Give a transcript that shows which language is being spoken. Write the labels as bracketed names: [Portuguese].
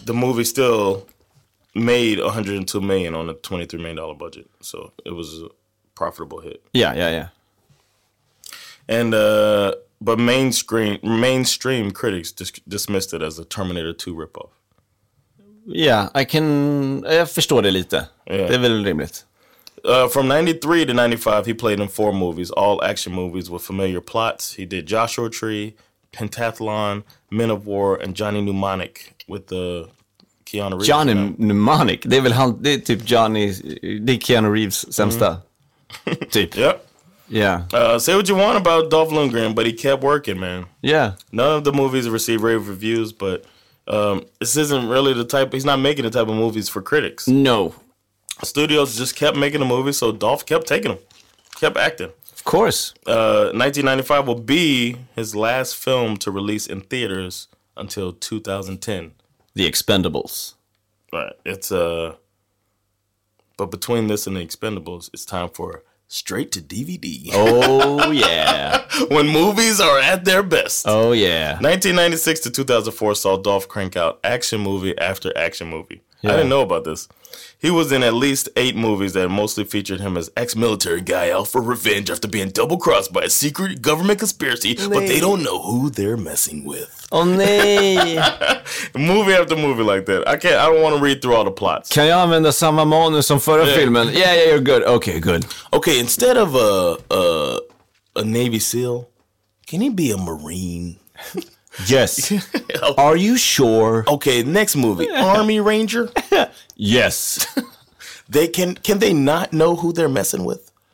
[English] The movie still... made $102 million on a $23 million budget. So it was a profitable hit. Yeah. And, but mainstream critics dismissed it as a Terminator 2 ripoff. [Swedish] Yeah, jag förstår det lite. [English] Yeah. [Swedish] Det är väl rimligt. [English] From 93 to 95, he played in 4 movies, all action movies with familiar plots. He did Joshua Tree, Pentathlon, Men of War, and Johnny Mnemonic with the... Keanu Reeves. Johnny Mnemonic. [Swedish] Det är väl han, det är typ Johnny, det är Keanu Reeves sämsta. Mm-hmm. Typ. [English] Yeah. Say what you want about Dolph Lundgren, but he kept working, man. Yeah. None of the movies received rave reviews, but this isn't really the type, he's not making the type of movies for critics. No. Studios just kept making the movies, so Dolph kept taking them, kept acting. Of course. 1995 will be his last film to release in theaters until 2010. The Expendables. Right. It's but between this and The Expendables, it's time for straight to DVD. Oh, yeah. When movies are at their best. Oh, yeah. 1996 to 2004 saw Dolph crank out action movie after action movie. Yeah. I didn't know about this. He was in at least 8 movies that mostly featured him as ex-military guy out for revenge after being double-crossed by a secret government conspiracy, but they don't know who they're messing with. Oh, [Swedish] nej. [English] Movie after movie like that. I don't want to read through all the plots. [Swedish] Kan jag använda samma manus som förra filmen? [English] Yeah, you're good. Okay, good. Okay, instead of a Navy SEAL, can he be a Marine? Yes. Are you sure? Okay, next movie. Army Ranger? Yes. They can they not know who they're messing with?